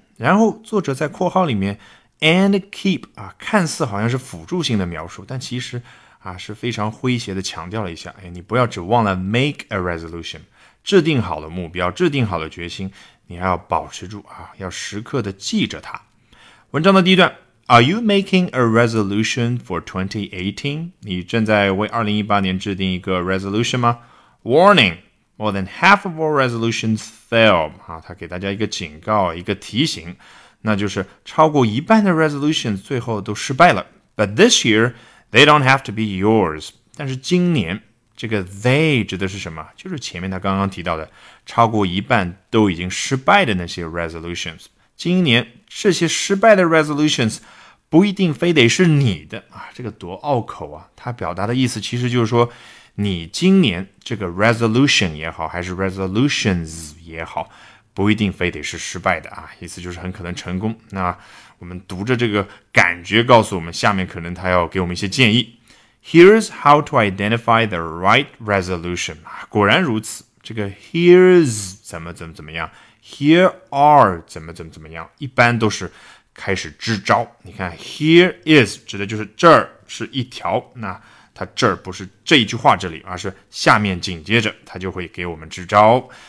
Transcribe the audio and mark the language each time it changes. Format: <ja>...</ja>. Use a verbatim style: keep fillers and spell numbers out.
<zh>然后作者在括号里面。</zh> <en>And keep</en> <zh>啊，看似好像是辅助性的描述，但其实啊是非常诙谐的强调了一下，哎，你不要只忘了</zh> <en>make a resolution，</en> <zh>制定好的目标，制定好的决心，你还要保持住啊，要时刻的记着它。文章的第一段</zh> <en>，Are you making a resolution for twenty eighteen？</en> <zh>你正在为二零一八年制定一个 resolution 吗 ？</zh> <en>Warning， more than half of all resolutions fail。</en> <zh>啊，他给大家一个警告，一个提醒。那就是超过一半的 resolutions 最后都失败了。</zh> <en>But this year, they don't have to be yours.</en> <zh>但是今年这个 they 指的是什么？就是前面他刚刚提到的超过一半都已经失败的那些 resolutions。今年这些失败的 resolutions 不一定非得是你的啊，这个多拗口啊！他表达的意思其实就是说，你今年这个 resolution 也好，还是 resolutions 也好。不一定非得是失败的啊，意思就是很可能成功。那我们读着这个感觉告诉我们，下面可能他要给我们一些建议。</zh> <en>Here's how to identify the right resolution.</en> <zh>果然如此，这个 here's 怎么怎么怎么样 ，here are 怎么怎么怎么样，一般都是开始支招。你看 here is 指的就是这儿是一条，那它这儿不是这一句话这里，而是下面紧接着它就会给我们支招。</zh>